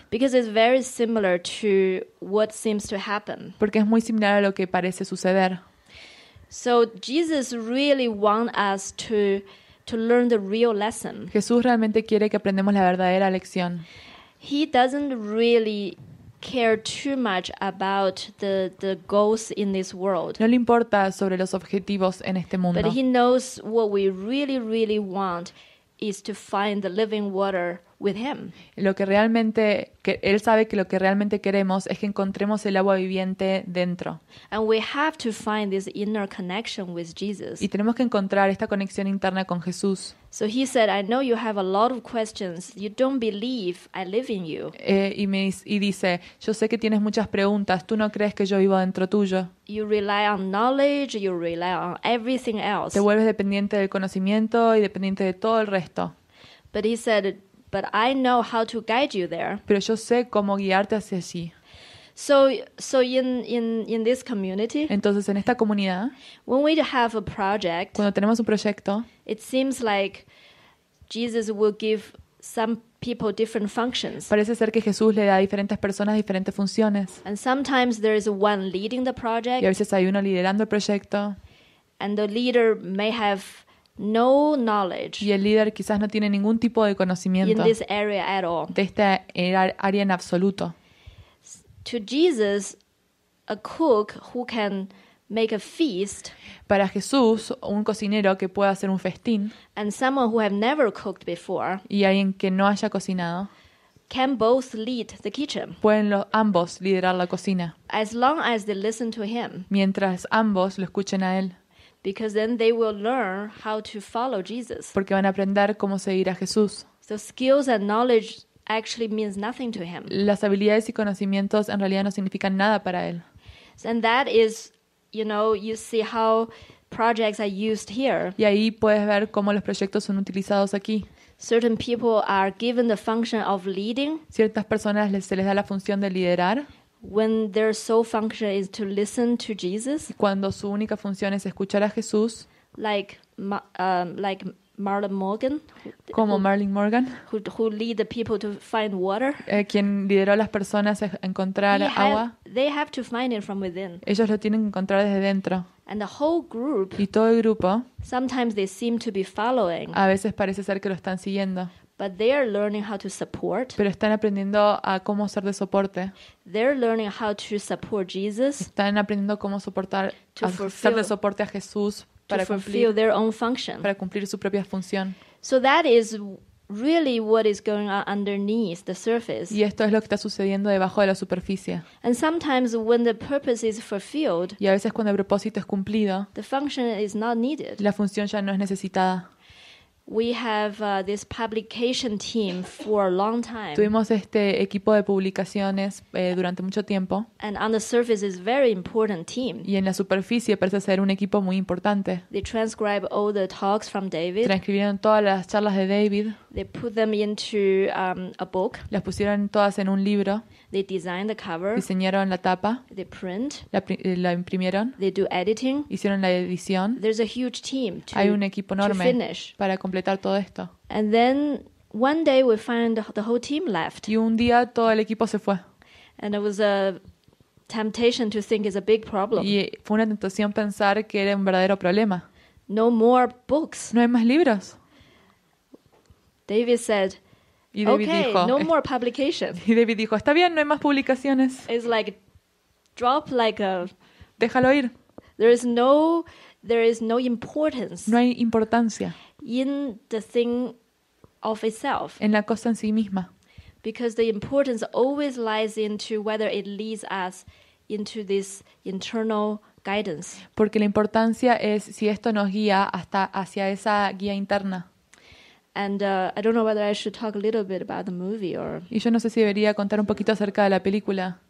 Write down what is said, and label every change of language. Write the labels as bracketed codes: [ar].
[en] Because it's very similar to what seems to happen. [es] Porque es muy similar a lo que parece suceder. [en] So Jesus really wants us to learn the real lesson. [es] Jesús realmente quiere que aprendamos la verdadera lección. [en] He doesn't really care too much about the goals in this world. [es] No le importa sobre los objetivos en este mundo. [en] But he knows what we really, really want is to find the living water with him. [es] Lo que realmente que él sabe que lo que realmente queremos es que encontremos el agua viviente dentro. [en] And we have to find this inner connection with Jesus. [es] Y tenemos que encontrar esta conexión interna con Jesús. [en] So he said, "I know you have a lot of questions. You don't believe I live in you." [es] Y dice, "Yo sé que tienes muchas preguntas. Tú no crees que yo vivo dentro tuyo." [en] You rely on knowledge. You rely on everything else. [es] Te vuelves dependiente del conocimiento y dependiente de todo el resto. [en] But he said, "But I know how to guide you there." [es] Pero yo sé cómo guiarte hacia allí. [en] So in this community. [es] Entonces en esta comunidad. [en] When we have a project. [es] Cuando tenemos un proyecto. [en] It seems like Jesus will give some people different functions. [es] Parece ser que Jesús le da a diferentes personas diferentes funciones. [en] And sometimes there is one leading the project. [es] Y a veces hay uno liderando el proyecto. [en] And the leader may have no knowledge. [es] Y el líder quizás no tiene ningún tipo de conocimiento. [en] In this area at all. [es] De esta área en absoluto. [en] To Jesus, a cook who can make a feast. [es] Para Jesús, un cocinero que pueda hacer un festín. [en] And someone who have never cooked before. [es] Y alguien que no haya cocinado. [en] Can both lead the kitchen. [es] Pueden ambos liderar la cocina. [en] As long as they listen to him. [es] Mientras ambos lo escuchen a él. [en] Because then they will learn how to follow Jesus. [es] Porque van a aprender cómo seguir a Jesús. [en] So skills and knowledge actually means nothing to him. [es] Las habilidades y conocimientos en realidad no significan nada para él. [en] And that is, you know, you see how projects are used here. [es] Y ahí puedes ver cómo los proyectos son utilizados aquí. [en] Certain people are given the function of leading. [es] Ciertas personas se les da la función de liderar. [en] When their sole function is to listen to Jesus. [es] Y cuando su única función es escuchar a Jesús. [en] Like Marlon Morgan. [es] Como Marlon Morgan. [en] Who lead the people to find water. [es] Quien lideró a las personas a encontrar agua. [en] They have to find it from within. [es] Ellos lo tienen que encontrar desde dentro. [en] And the whole group. [es] Y todo el grupo. [en] Sometimes they seem to be following. [es] A veces parece ser que lo están siguiendo. [en] But they are learning how to support. [es] Pero están aprendiendo a cómo ser de soporte. [en] They're learning how to support Jesus. [es] Están aprendiendo cómo soportar ser de soporte a Jesús. Para [en] fulfill their own function. [es] Para cumplir su propia función. [en] So that is really what is going on underneath the surface. [es] Y esto es lo que está sucediendo debajo de la superficie. [en] And sometimes when the purpose is fulfilled. [es] Y a veces cuando el propósito es cumplido. [en] The function is not needed. [es] La función ya no es necesitada. [en] We have this publication team for a long time. [es] Tuvimos este equipo de publicaciones durante mucho tiempo. [en] And on the surface is very important team. [es] Y en la superficie parece ser un equipo muy importante. [en] They transcribe all the talks from David. [es] Transcribieron todas las charlas de David. [en] They put them into a book. [es] Las pusieron todas en un libro. [en] They design the cover. [es] Diseñaron la tapa. [en] They print. [es] La imprimieron. [en] They do editing. [es] Hicieron la edición. [en] There's a huge team to, [es] hay un equipo enorme [en] to finish. [es] Para completar todo esto. [en] And then one day we find the whole team left. [es] Y un día todo el equipo se fue. [en] And it was a temptation to think it's a big problem. [es] Y fue una tentación pensar que era un verdadero problema. [en] No more books. [es] No hay más libros. [en] David said, [es] y David [en] okay, [es] dijo, [en] no more publications. [es] Y David dijo, está bien, no hay más publicaciones. [en] It's like drop like a. [es] Déjalo ir. [en] There is no importance. [es] No hay importancia. [en] In the thing of itself. [es] En la cosa en sí misma. [en] Because the importance always lies into whether it leads us into this internal guidance. [es] Porque la importancia es si esto nos guía hasta hacia esa guía interna. [en] And I don't know whether I should talk a little bit about the movie or. [es] Y yo no sé si debería contar un poquito acerca de la película.